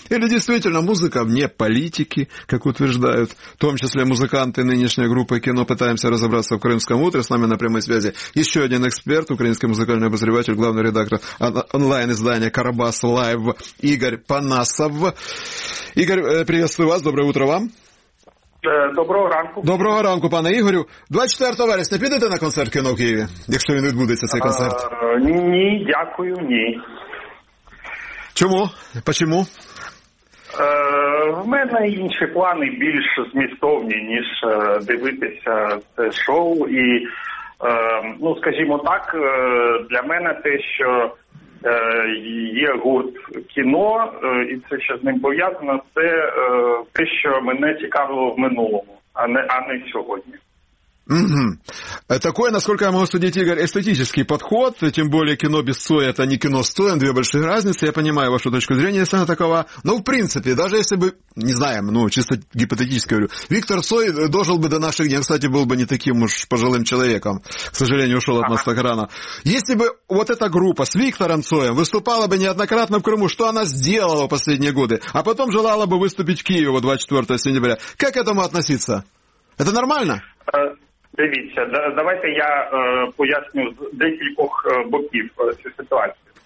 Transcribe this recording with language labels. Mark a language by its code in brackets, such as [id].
[ru] Или действительно музыка вне политики, как утверждают, в том числе музыканты нынешней группы кино. Пытаемся разобраться в «Крымском утре». С нами на прямой связи еще один эксперт, украинский музыкальный обозреватель, главный редактор онлайн-издания «Карабас Лайв» Игорь Панасов. Игорь, приветствую вас, доброе утро вам. [uk] Доброго ранку. Доброго ранку, пане Ігорю. 24 вересня підете на концерт кіно в Києві, якщо він відбудеться, цей концерт? Ні, дякую, ні. Чому? Почому? В мене інші плани більш змістовні, ніж дивитися це шоу. І, ну, скажімо так, для мене те, що є гурт кіно, і це, що з ним пов'язано, це те, що мене цікавило в минулому, а не сьогодні. Угу. [ru] Такой, насколько я могу судить, Игорь, эстетический подход, тем более кино без Цоя, это не кино с Цоем, две большие разницы, я понимаю вашу точку зрения, если она такова, но в принципе, даже если бы, не знаем, ну, чисто гипотетически говорю, Виктор Цой дожил бы до наших дней, кстати, был бы не таким уж пожилым человеком, к сожалению, ушел от нас так рано, если бы вот эта группа с Виктором Цоем выступала бы неоднократно в Крыму, что она сделала в последние годы, а потом желала бы выступить в Киеве 24 сентября, как к этому относиться? Это нормально? [uk] Дивіться, давайте я поясню з декількох боків цю ситуацію.